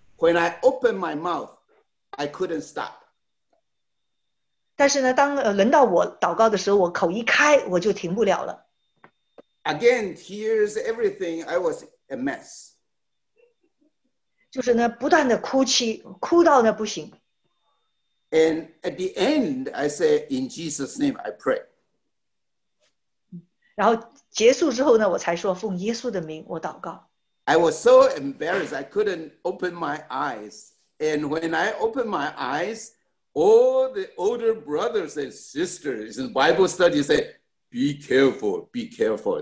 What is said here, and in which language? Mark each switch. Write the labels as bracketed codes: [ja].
[en] When I open my mouth, I couldn't stop. [zh] 但是呢，当轮到我祷告的时候，我口一开，我就停不了了。 [en] Again, tears, everything. I was a mess. [zh] 就是呢，不断的哭泣，哭到呢不行。 [en] And at the end, I say, "In Jesus' name, I pray." [zh] 然后结束之后呢，我才说，奉耶稣的名，我祷告。 [en] I was so embarrassed, I couldn't open my eyes. And when I opened my eyes, all the older brothers and sisters in Bible study said, "Be careful, be careful."